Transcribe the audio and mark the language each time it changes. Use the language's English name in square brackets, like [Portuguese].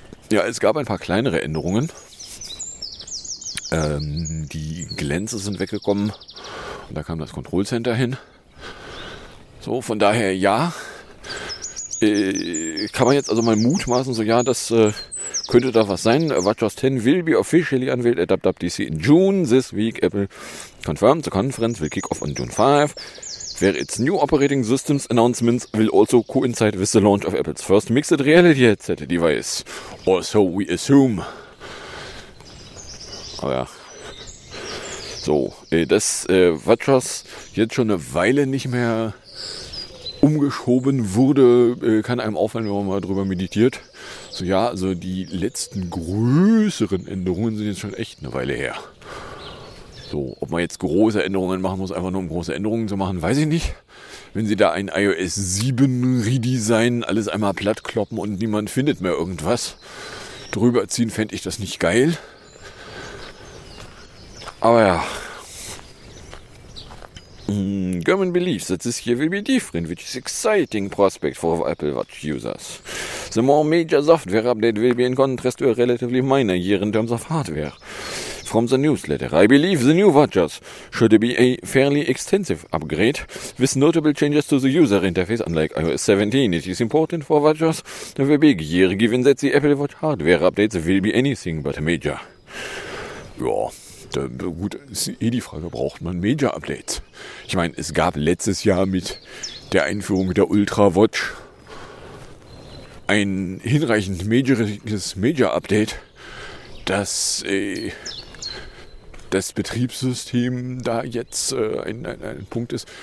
[German] Ja, es gab ein paar kleinere Änderungen. Die Glänze sind weggekommen und da kam das Kontrollcenter hin. So, von daher, ja, kann man jetzt also mal mutmaßen, so ja, das könnte da was sein. [English] Watch OS 10 will be officially unveiled at WWDC in June this week. Apple confirmed the conference will kick off on June 5. Where its new operating systems announcements will also coincide with the launch of Apple's first mixed reality headset device. Or so we assume. [German] Aber ja. So, dass WatchOS jetzt schon eine Weile nicht mehr umgeschoben wurde, kann einem auffallen, wenn man mal drüber meditiert. So ja, also die letzten größeren Änderungen sind jetzt schon echt eine Weile her. So, ob man jetzt große Änderungen machen muss, einfach nur um große Änderungen zu machen, weiß ich nicht. Wenn sie da ein iOS 7 Redesign alles einmal plattkloppen und niemand findet mehr irgendwas drüber ziehen, fände ich das nicht geil. Aber ja. [English] German believes that this year will be different, which is exciting prospect for Apple Watch users. The more major software update will be in contrast to a relatively minor year in terms of hardware. From the newsletter, I believe the new watches should be a fairly extensive upgrade with notable changes to the user interface, unlike iOS 17. It is important for watches to have a big year, given that the Apple Watch hardware updates will be anything but major. [German] Ja, da, gut, ist eh die Frage, braucht man Major Updates? Ich meine, es gab letztes Jahr mit der Einführung der Ultra Watch ein hinreichend majoriges Major Update, das das Betriebssystem da jetzt ein Punkt ist.